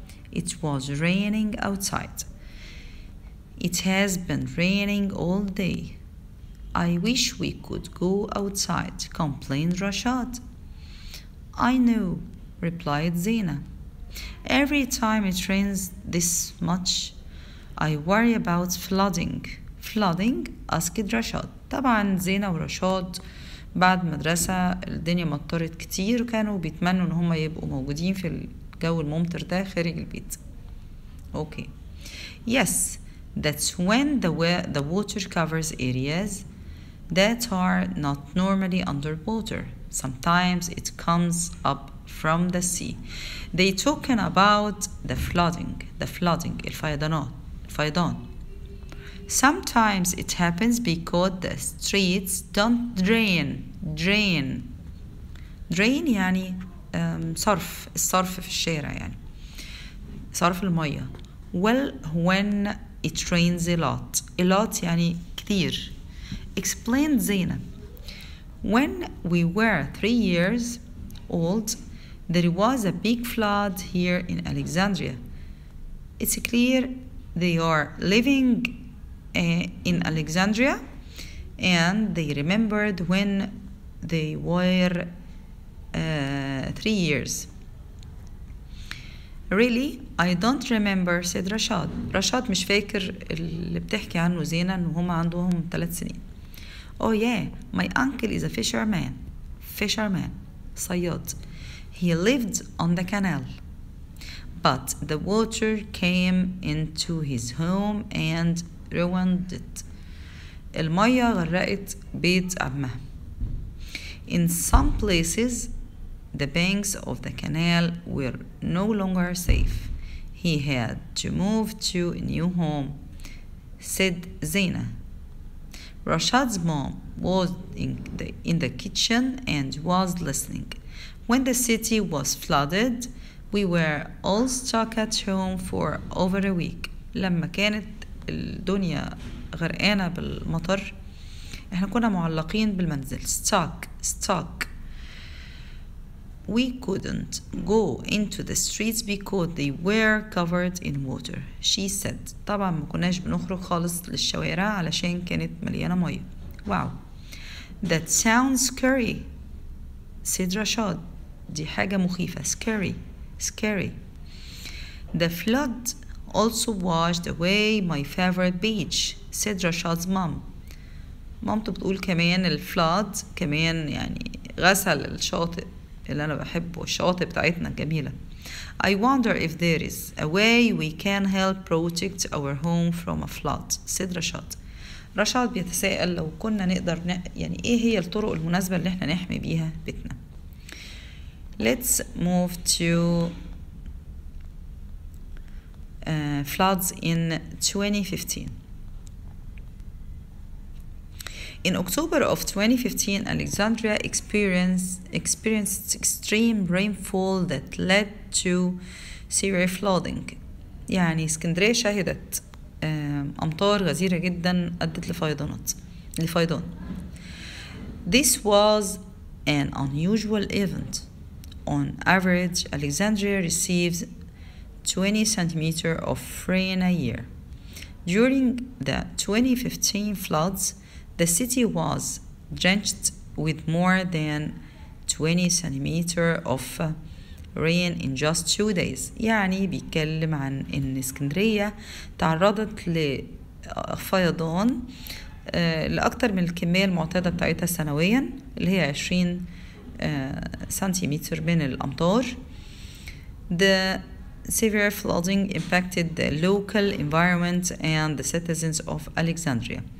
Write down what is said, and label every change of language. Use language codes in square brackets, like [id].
[en] It was raining outside. It has been raining all day. I wish we could go outside, complained Rashad. I know, replied Zina. Every time it rains this much, I worry about flooding. Flooding? Asked Rashad. [ar] طبعا زينة ورشاد بعد مدرسة الدنيا مطرت كتير وكانوا بيتمنوا ان هم يبقوا موجودين في الجو الممطر ده خارج البيت. [en] Okay. Yes, that's when the water covers areas that are not normally underwater. Sometimes it comes up from the sea. They talking about the flooding. The flooding, [ar] الفيضان. [en] Sometimes it happens because the streets don't drain. Drain [ar] يعني صرف. الصرف في الشارع يعني. صرف المية. [en] Well, when it rains a lot. A lot [ar] يعني كثير. [en] Explained Zina. When we were 3 years old, there was a big flood here in Alexandria. It's clear they are living in Alexandria, and they remembered when they were 3 years. Really, I don't remember, said Rashad. [ar] Rashad مش فاكر اللي بتحكي عنه زينة ان هما عندهم 3 سنين. [en] Oh yeah, my uncle is a fisherman. Fisherman, [ar] صياد. [en] He lived on the canal. But the water came into his home and ruined it. [ar] المية غرقت بيت عمه. [en] In some places, the banks of the canal were no longer safe. He had to move to a new home, said Zina. Rashad's mom was in the kitchen and was listening. When the city was flooded, we were all stuck at home for over a week. [ar] لما كانت الدنيا غرقانة بالمطر احنا كنا معلقين بالمنزل. [en] Stuck. We couldn't go into the streets because they were covered in water, she said. [ar] طبعا ما كناش بنخرج خالص للشوارع علشان كانت مليانة مية. [en] Wow, that sounds scary, said Rashad. [ar] دي حاجة مخيفة. [en] Scary. The flood also washed away my favorite beach, said Rashad's mom. [ar] مامته بتقول كمان الفلود كمان يعني غسل الشاطئ اللي أنا بحبه. الشاطئ بتاعتنا جميلة. [en] I wonder if there is a way we can help protect our home from a flood, said Rashad. [ar] رشاد بيتساءل لو كنا نقدر يعني ايه هي الطرق المناسبة اللي احنا نحمي بيها بيتنا. [en] Let's move to floods in 2015. In October of 2015, Alexandria experienced extreme rainfall that led to severe flooding. [ar] يعني اسكندرية شهدت أمطار غزيرة جدا أدت لفيضان. [en] This was an unusual event. On average, Alexandria receives 20 centimeters of rain a year. During the 2015 floods, the city was drenched with more than 20 centimeters of rain in just 2 days. [ar] يعني بيتكلم عن إن اسكندرية تعرضت لفيضان لأكثر من الكمية المعتادة بتاعتها سنويا اللي هي 20 سنتيمتر من الأمطار. [en] The severe flooding impacted the local environment and the citizens of Alexandria.